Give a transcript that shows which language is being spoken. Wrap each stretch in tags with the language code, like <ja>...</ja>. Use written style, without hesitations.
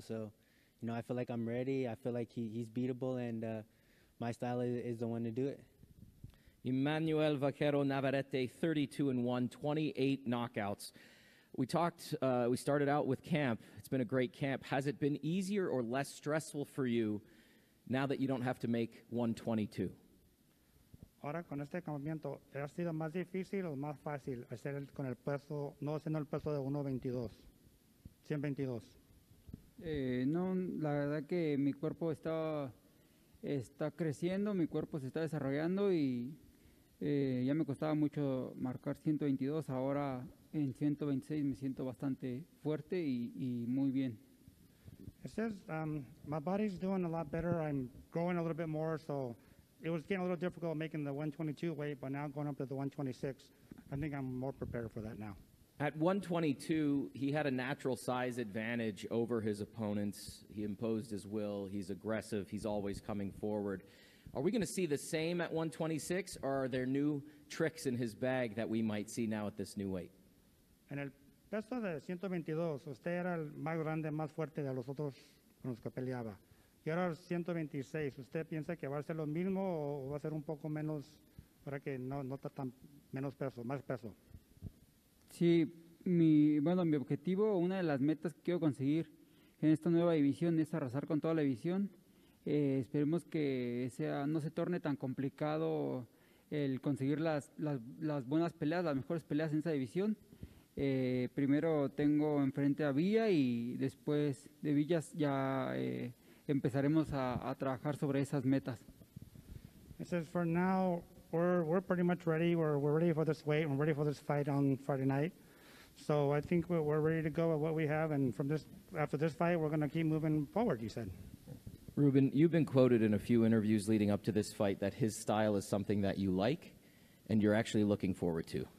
<en>So, you know, I feel like I'm ready. I feel like he's beatable, and my style is the one to do it. Emmanuel Vaquero Navarrete, 32-1, 28 knockouts. We talked, we started out with camp. It's been a great camp. Has it been easier or less stressful for you now that you don't have to make 122?</en> <es>Ahora con este campamento, ¿ha sido más difícil o más fácil hacer con el peso, no haciendo el peso de 122? No, la verdad que mi cuerpo está creciendo, mi cuerpo se está desarrollando y ya me costaba mucho marcar 122. Ahora en 126 me siento bastante fuerte y muy bien.</es> <en>It says, my body's doing a lot better. I'm growing a little bit more, so it was getting a little difficult making the 122 weight, but now going up to the 126, I think I'm more prepared for that now. At 122, he had a natural size advantage over his opponents. He imposed his will. He's aggressive. He's always coming forward. Are we going to see the same at 126, or are there new tricks in his bag that we might see now at this new weight?</en> <es>En el peso de 122, usted era el más grande, más fuerte de los otros con los que peleaba. Y ahora 126, ¿usted piensa que va a ser lo mismo o va a ser un poco menos para que no está tan menos peso, más peso? Sí, mi objetivo, una de las metas que quiero conseguir en esta nueva división es arrasar con toda la división. Esperemos que sea, no se torne tan complicado el conseguir las buenas peleas, las mejores peleas en esa división. Primero tengo enfrente a Villa y después de Villas ya empezaremos a trabajar sobre esas metas.</es> <en>It says for now we're pretty much ready. We're ready for this weight. We're ready for this fight on Friday night. So I think we're ready to go with what we have. And from this, after this fight, we're going to keep moving forward. You said, Ruben, you've been quoted in a few interviews leading up to this fight that his style is something that you like, and you're actually looking forward to.</en>